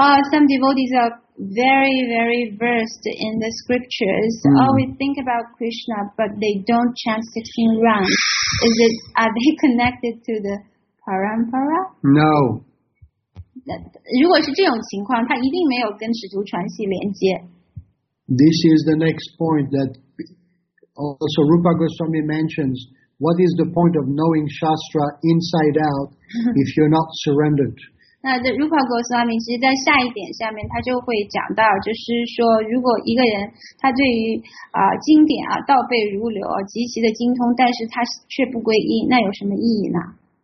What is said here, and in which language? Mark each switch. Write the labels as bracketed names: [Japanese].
[English] Some devotees are very, very versed in the scriptures. Mm. Always think about Krishna, but they don't chant 16 rounds. Is it, are they connected to the parampara? No. [Chinese] 如果是这种情况，他一定没有跟使徒传系连接。 [English] This is the next point that also Rupa Goswami mentions. What is the point of knowing Shastra inside out if you're not surrendered? [Chinese] 那Rupa Goswami其实在下一点下面，他就会讲到，就是说，如果一个人他对于经典啊倒背如流，极其的精通，但是他却不皈依，那有什么意义呢？